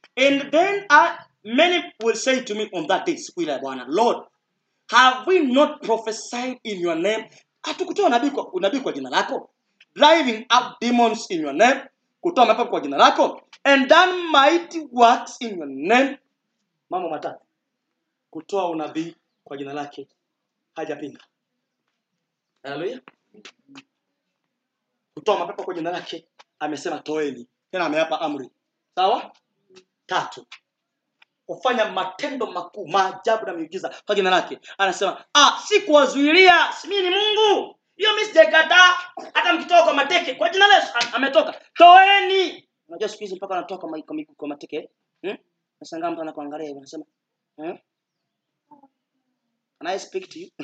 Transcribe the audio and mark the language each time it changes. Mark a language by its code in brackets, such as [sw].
[en] And then many will say to me on that day, [sw] siku ile Bwana, [en] Lord, have we not prophesied in your name? [sw] Hatukutoa unabii kwa jina lako? [en] Driving out demons in your name? [sw] Kutoa mapepo kwa jina lako? [en] And done mighty works in your name? [sw] Mambo matatu. Kutoa unabii kwa jina lake hajapinga. Hallelujah. Kutoa mapepo kwa jina lake, amesema toeni. Tena ameapa amri. Sawa? Tatu. Kufanya matendo makuu, maajabu na miujiza kwa jina lake. Anasema, sikuwazuilia, mimi ni Mungu. Hiyo mimi sijakataa. Hata mkitoa kwa mateke kwa jina la Yesu, ametoka. Toeni. Unajua siku hizi mpaka anatoka mikomiko kwa mateke. Hmm? Nashangaa mtu anakuangalia hivi anasema, [en] Can I speak to you?